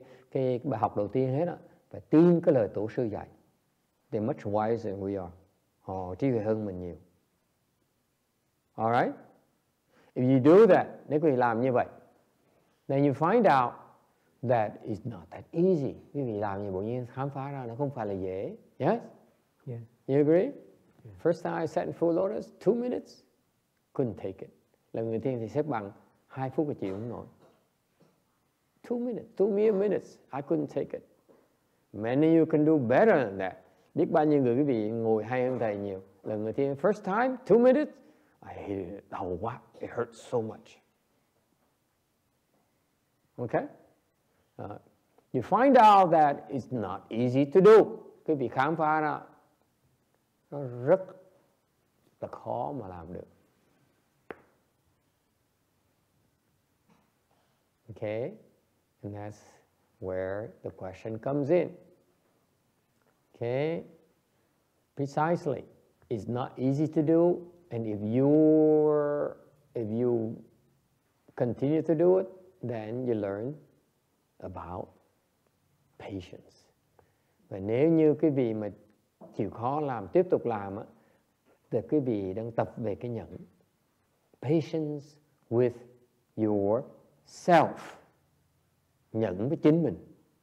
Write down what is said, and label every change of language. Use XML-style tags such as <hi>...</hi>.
<vi>Cái bài học đầu tiên hết á, phải tin cái lời tổ sư dạy.</vi> <en>They're much wiser than we are.</en> <vi>Họ trí huệ hơn mình nhiều.</vi> <en>All right? If you do that,</en> <vi>nếu quý vị làm như vậy,</vi> <en>then you find out that it's not that easy.</en> <vi>Quý vị làm như vậy, bỗng nhiên khám phá ra nó không phải là dễ. Yes?</vi> <en>Yeah. You agree? Yeah. First time I sat in full lotus, 2 minutes, couldn't take it.</en> <vi>Lần người tiên thì xếp bằng 2 phút của chị không nổi.</vi> <en>2 minutes, 2 mere minutes, I couldn't take it. Many of you can do better than that.</en> <vi>Biết bao nhiêu người quý vị ngồi hay hơn thầy nhiều. Lần người tiên,</vi> <en>first time, 2 minutes, I hated it,</en> <vi>đau quá,</vi> <en>it hurt so much. Okay? You find out that it's not easy to do.</en> <vi>Quý vị khám phá ra, nó rất là khó mà làm được.</vi> <en>Okay? And that's where the question comes in. Okay? Precisely. It's not easy to do, and if you continue to do it, then you learn about patience.</en> <vi>Và nếu như quý vị mà chịu khó làm, tiếp tục làm á, thì quý vị đang tập về cái nhẫn.</vi> <en>Patience with yourself.</en> <vi>Nhẫn với chính mình.</vi>